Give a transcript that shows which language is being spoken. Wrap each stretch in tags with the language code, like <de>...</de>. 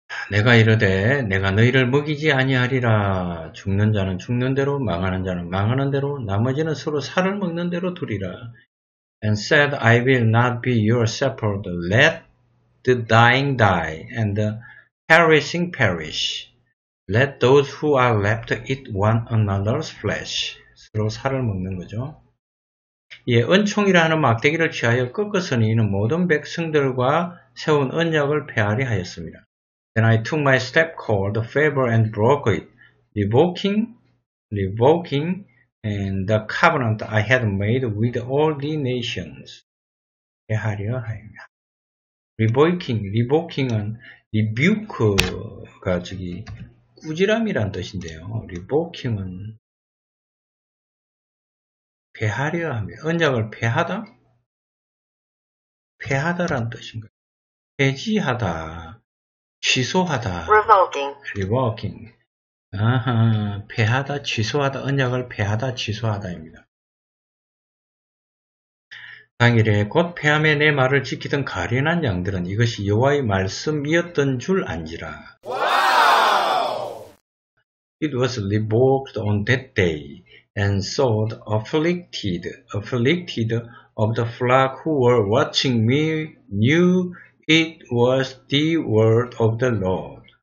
<ko>내가 이르되 내가 너희를 먹이지 아니하리라. 죽는 자는 죽는 대로 망하는 자는 망하는 대로 나머지는 서로 살을 먹는 대로 두리라.</ko> <en>And said I will not be your shepherd. Let the dying die and the perishing perish. Let those who are left eat one another's flesh.</en> <ko>서로 살을 먹는 거죠. 예, 은총이라 하는 막대기를 취하여 꺾었으니 이는 모든 백성들과 세운 언약을 폐하리 하였습니다.</ko> <en>Then I took my step called the favor and broke it, revoking and the covenant I had made with all the nations.</en> <ko>폐하려 하였냐. Revoking은 rebuke가 저기 꾸지람이란 뜻인데요. Revoking은 폐하려 하며 언약을 폐하다? 폐하다란 뜻인 거예요. 폐지하다. 취소하다.</ko> <en>Revoking.</en> <ko>아하, 폐하다, 취소하다, 언약을 폐하다, 취소하다입니다. 당일에 곧 폐함에 내 말을 지키던 가련한 양들은 이것이 여호와의 말씀이었던 줄 안지라.</ko> <en>Wow! It was revoked on that day, and so the afflicted of the flock who were watching me knew It was the word of the Lord.</en>